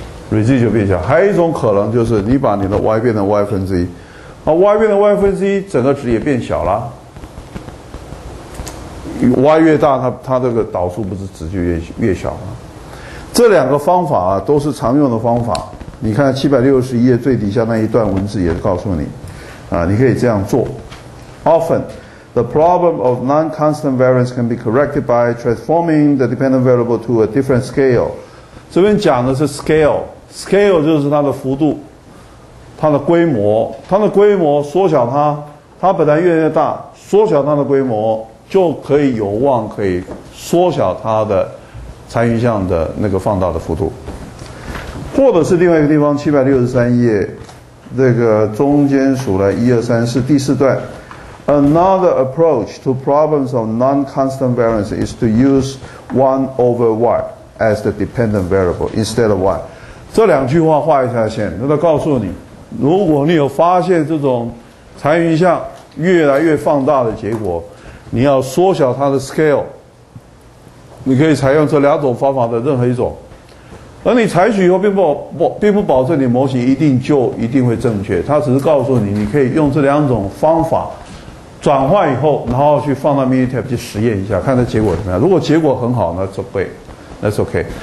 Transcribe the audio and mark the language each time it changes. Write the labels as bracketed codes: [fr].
[zh] Reduce 就变小，还有一种可能就是你把你的 y 变成 y 分之一，啊 ，y 变成 y 分之一，整个值也变小了。y 越大，它这个导数不是值就越小吗？这两个方法啊，都是常用的方法。你看761页最底下那一段文字也告诉你，啊，你可以这样做。Often， [en] The problem of non-constant variance can be corrected by transforming the dependent variable to a different scale. [zh] 这边讲的是 scale 就是它的幅度，它的规模，它的规模缩小它，它本来越来越大，缩小它的规模就可以有望可以缩小它的参与项的那个放大的幅度。或者是另外一个地方，763页这个中间数来1234第四段。 [en] Another approach to problems of non-constant variance is to use 1 over y as the dependent variable instead of y. [zh] 这两句话画一下线，那它告诉你，如果你有发现这种残余项越来越放大的结果，你要缩小它的 scale， 你可以采用这两种方法的任何一种。而你采取以后并不保证你模型一定会正确，它只是告诉你，你可以用这两种方法转换以后，然后去放到 Minitab 去实验一下，看它结果怎么样。如果结果很好，那就对 ， [en] That's OK。